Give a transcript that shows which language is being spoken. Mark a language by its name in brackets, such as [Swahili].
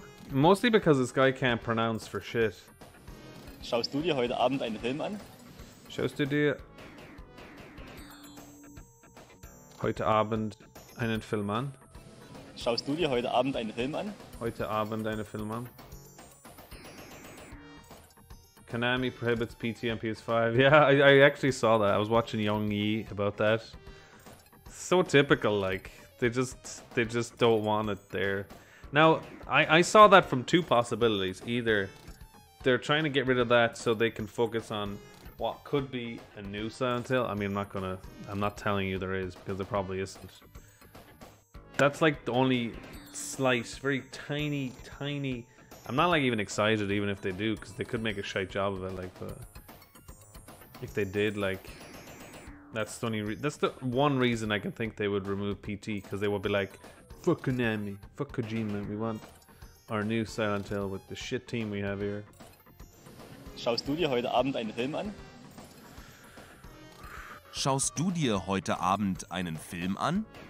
[English] Mostly because this guy can't pronounce for shit. [German] Schaust du dir heute Abend einen Film an? Schaust du dir... heute Abend einen Film an? Schaust du dir heute Abend einen Film an? Heute Abend einen Film an? [English] Konami prohibits PT on PS5. Yeah, I actually saw that. I was watching Young Yi about that. So typical, like. They just don't want it there. Now, I saw that from two possibilities. Either they're trying to get rid of that so they can focus on what could be a new Silent Hill. I mean, I'm not telling you there is, because there probably isn't. That's like the only slight, very tiny, tiny... I'm not like even excited, even if they do, because they could make a shite job of it, like, but... if they did, like... that's the only that's the one reason I can think they would remove PT, because they would be like, fuck Konami, fuck Kojima, we want our new Silent Hill with the shit team we have here. [German] Schaust du dir heute Abend einen Film an? Schaust du dir heute Abend einen Film an?